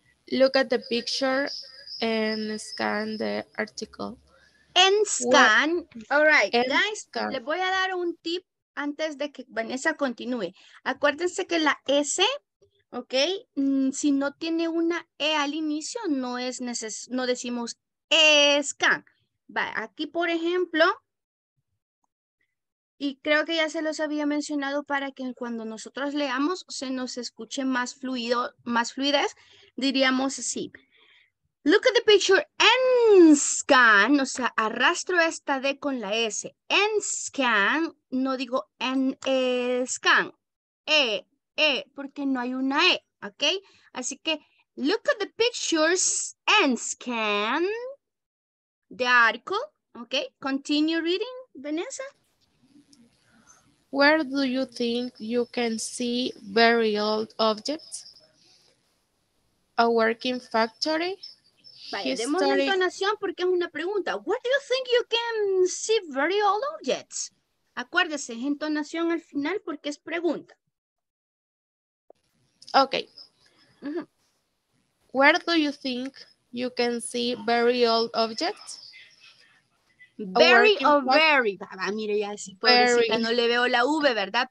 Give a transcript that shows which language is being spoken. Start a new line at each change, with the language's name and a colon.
English: Look at the picture and scan the article. And scan. What? All right, guys, scan.
Spanish: Le voy a dar un tip antes de que Vanessa continúe. Acuérdense que la S, ok, si no tiene una E al inicio, no decimos scan. Vale, aquí, por ejemplo, y creo que ya se los había mencionado para que cuando nosotros leamos se nos escuche más fluido, más fluidez, diríamos así.
English: Look at the picture and scan,
Spanish: o sea, arrastro esta D con la S.
English: And scan,
Spanish: no digo en scan, porque no hay una E, ¿ok? Así que
English: look at the pictures and scan the article, okay? Continue reading, Vanessa. Where do you think you can see very old objects? A working factory?
Spanish: Vaya, demos la entonación porque es una pregunta.
English: Where do you think you can see very old objects?
Spanish: Acuérdese, es entonación al final porque es pregunta.
English: Okay. Uh-huh. Where do you think you can see very old objects? Very o very.
Spanish: Mire, ya sí puedo decir que no le veo la V, ¿verdad?